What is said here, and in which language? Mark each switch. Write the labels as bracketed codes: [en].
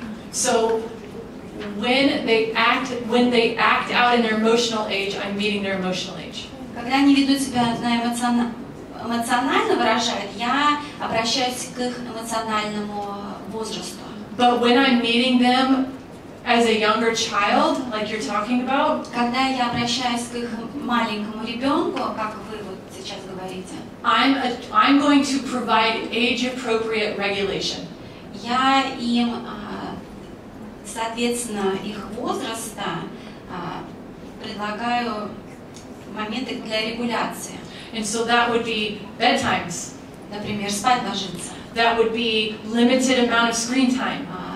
[en] So when they act out in their emotional age, I'm meeting their emotional age. [ru] Когда они ведут себя на эмоционально выражают, я обращаюсь к их эмоциональному возрасту. [en] But when I'm meeting them as a younger child, like you're talking about, [ru] когда я обращаюсь к их маленькому ребенку, как вы вот сейчас говорите, [en] I'm going to provide age-appropriate regulation. [ru] Я им соответственно, их возраста предлагаю моменты для регуляции. [en] And so that would be bedtimes. [ru] Например, спать ложиться. [en] That would be limited amount of screen time.